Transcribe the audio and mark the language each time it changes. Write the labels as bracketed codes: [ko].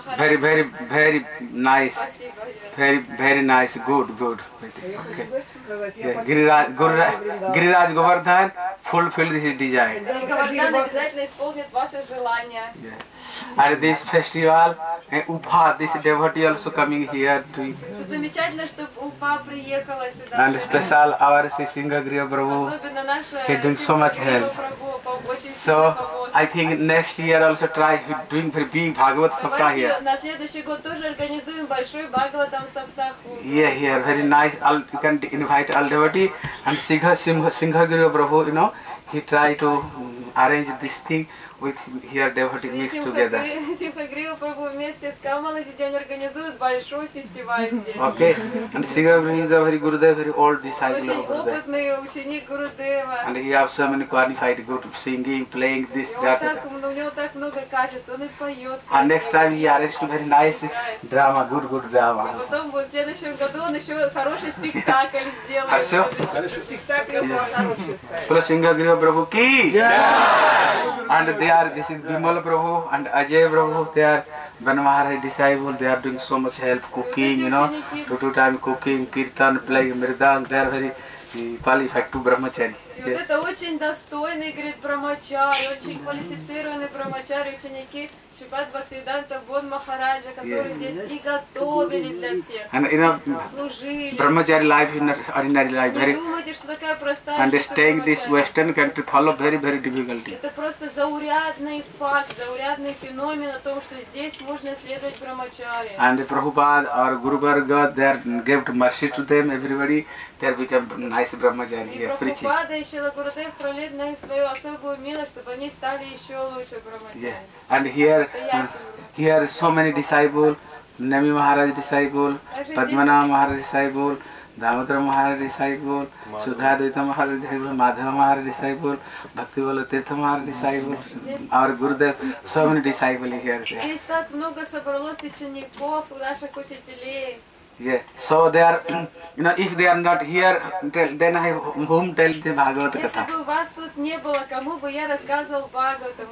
[en] very, very, very nice, very, very nice, good, good. Okay. Yeah. Гирираж Говардхан fulfill this desire. [ru] Говардхан обязательно исполнит ваше желание. [en] And this festival, Upa, this devotee also coming here to. [ru] Замечательно, что Upa приехала сюда. [en] And special our Сисинга Грия Прабху. [ru] Особенно наша. [en] He doing so much help. So I think next year also try doing very big Bhagavat Saptah here. [ru] На следующий год тоже организуем большой Бхагаватам Саптаху. [en] Yeah, here very nice. All you can invite all devotee and Сисинга Грия Прабху, you know, he try to arrange this thing with here devotee mix together. [ru] Сихагрива Прабху вместе с Камалой этот день организует большой фестиваль здесь. [en] Okay. And Сихагрива is a very Gurudev, very old disciple. [ru] Очень опытный ученик Гурудева. [en] And he has so many qualified, good singing, playing this, that. [ru] У него так много качеств, он и поет. [en] And next time he arranged very nice drama, good, good drama. [ru] И потом в следующем году он еще хороший спектакль сделает. Хорошо? Спектакль его хороший. Сихагрива Прабху ки! [en] And they are, this is Bimal Prabhu and Ajay Prabhu, they are Banamahara disciple, they are doing so much help cooking, you know, two time cooking, kirtan, playing mridang, they are very qualified to brahmachari. [ru] И вот это очень достойный, говорит, брамачари, очень квалифицированный брамачари, ученики Шипад Бхактивиданта Бон Махараджа, которые здесь и готовили для всех, [en] and, you know, [ru] служили. [en] Брамачари life in ordinary life. [ru] Не думайте, что такая простая. [en] And staying this Western country follow very, very difficulty. [ru] Это просто заурядный факт, заурядный феномен о том, что здесь можно следовать брамачари. [en] And Prabhupad or Guru Bhargava, they gave mercy to them, everybody, they become nice brahmachari here, preaching. [ru] Да еще Лагурдев пролил на них свою особую милость, чтобы они стали еще лучше брамачари. [en] Yeah. And here so many disciples, Nami Maharaj disciple, Padmanabha Maharaj disciple, Дамодара Махарадж дисайпл, Судха Двайта Махарадж дисайпл, Мадхава Махарадж дисайпл, Бхакти Валла Тиртха Махарадж дисайпл, our Gurudev, so many disciples here. [ru] Здесь так много собралось учеников у наших учителей. [en] Yeah, so they are, you know, if they are not here, tell, then I whom tell the Bhagavad Gita? [ru] Если бы вас тут не было, кому бы я рассказывал Бхагаватам?